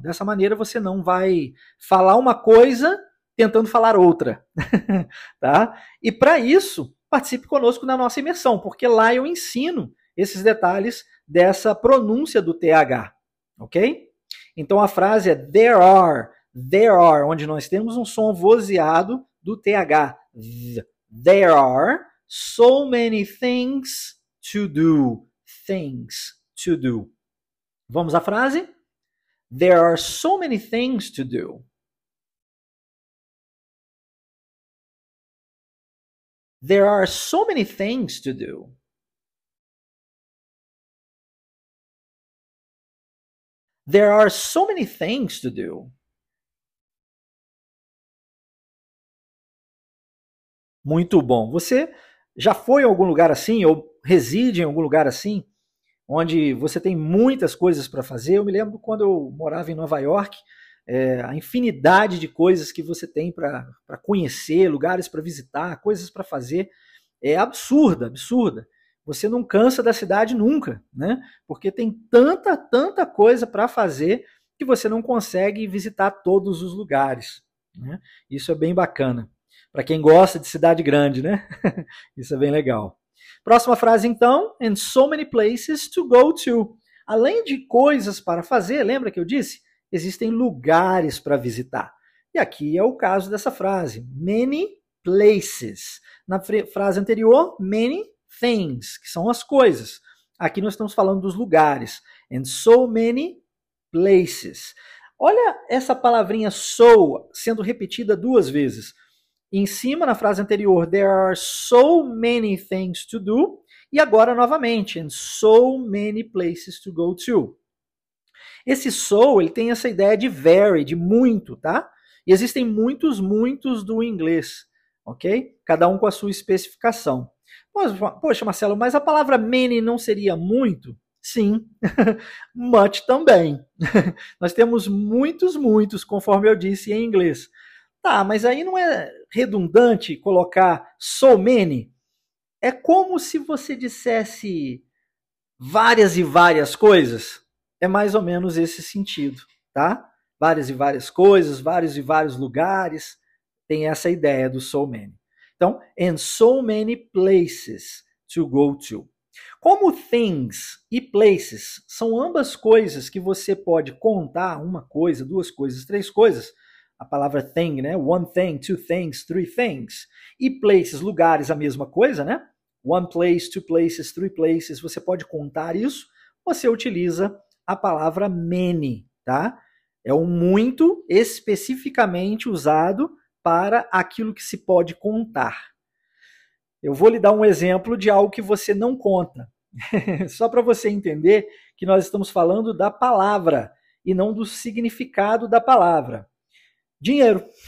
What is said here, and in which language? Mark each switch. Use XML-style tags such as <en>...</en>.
<pt>Dessa maneira, você não vai falar uma coisa tentando falar outra. Tá? E para isso, participe conosco na nossa imersão, porque lá eu ensino esses detalhes dessa pronúncia do TH. Ok? Então a frase é</pt> <en>there are,</en> <pt>onde nós temos um som vozeado do TH.</pt> <en>There are so many things to do. Things to do.</en> <pt>Vamos à frase?</pt> <en>There are so many things to do. There are so many things to do. There are so many things to do.</en> <pt>Muito bom. Você já foi em algum lugar assim ou reside em algum lugar assim? onde você tem muitas coisas para fazer. Eu me lembro quando eu morava em Nova York, a infinidade de coisas que você tem para conhecer, lugares para visitar, coisas para fazer, é absurda, absurda. Você não cansa da cidade nunca, né? Porque tem tanta, tanta coisa para fazer que você não consegue visitar todos os lugares, né? Isso é bem bacana. Para quem gosta de cidade grande, né? Isso é bem legal. Próxima frase, então.</pt> <en>And so many places to go to.</en> <pt>Além de coisas para fazer, lembra que eu disse? Existem lugares para visitar. E aqui é o caso dessa frase.</pt> <en>Many places.</en> <pt>Na frase anterior, many things, que são as coisas. Aqui nós estamos falando dos lugares.</pt> <en>And so many places.</en> <pt>Olha essa palavrinha so sendo repetida duas vezes. Em cima, na frase anterior,</pt> <en>there are so many things to do.</en> <pt>E agora, novamente,</pt> <en>and so many places to go to.</en> <pt>Esse so, ele tem essa ideia de very, de muito, tá? E existem muitos, muitos do inglês, ok? Cada um com a sua especificação. Poxa, Marcelo, mas a palavra many não seria muito? Sim, much também. Nós temos muitos, muitos, conforme eu disse em inglês. Tá, mas aí não é redundante colocar so many? É como se você dissesse várias e várias coisas. É mais ou menos esse sentido, tá? Várias e várias coisas, vários e vários lugares. Tem essa ideia do so many.</pt> <en>Então, and so many places to go to.</en> <pt>Como things e places são ambas coisas que você pode contar uma coisa, duas coisas, três coisas. A palavra thing, né?</pt> <en>One thing, two things, three things.</en> <pt>E places, lugares, a mesma coisa, né?</pt> <en>One place, two places, three places.</en> <pt>Você pode contar isso. Você utiliza a palavra many, tá? É um muito especificamente usado para aquilo que se pode contar. Eu vou lhe dar um exemplo de algo que você não conta. Só para você entender que nós estamos falando da palavra e não do significado da palavra. Dinheiro.</pt>